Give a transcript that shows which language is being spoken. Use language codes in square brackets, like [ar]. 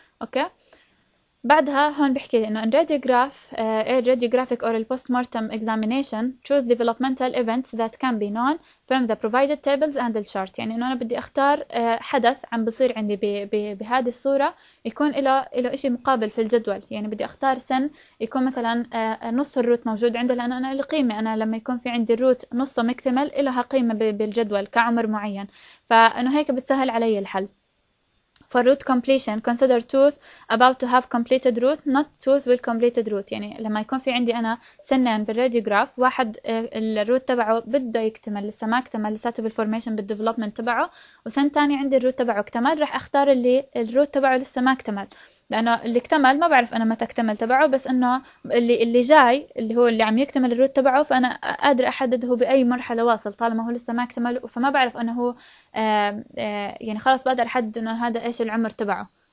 [ar] اوكي بعدها هون بحكي انه [en] ان radiograph a radiographic or البوست mortem examination shows developmental events that can be known from the provided tables and الشارت، [ar] يعني انه انا بدي اختار حدث عم بصير عندي بهذه الصوره يكون له شيء مقابل في الجدول، يعني بدي اختار سن يكون مثلا نص الروت موجود عنده لانه انا له قيمه، انا لما يكون في عندي الروت نصه مكتمل لها قيمه بالجدول كعمر معين، فانه هيك بتسهل علي الحل. [en] For root completion, consider tooth about to have completed root, not tooth with completed root. [ar] يعني لما يكون في عندي أنا سنان بالراديوغراف واحد الروت تبعه بده يكتمل لسه ما اكتمل لساته بالفورميشن بالديفلوبمنت تبعه، وسن تاني عندي الروت تبعه اكتمل رح اختار اللي الروت تبعه لسه ما اكتمل لأنه اللي اكتمل ما بعرف أنا متى اكتمل تبعه، بس أنه اللي جاي اللي هو اللي عم يكتمل الروت تبعه فأنا قادر أحدد هو بأي مرحلة واصل طالما هو لسه ما اكتمل، فما بعرف أنه هو يعني خلاص بقدر أحدد أنه هذا إيش العمر تبعه.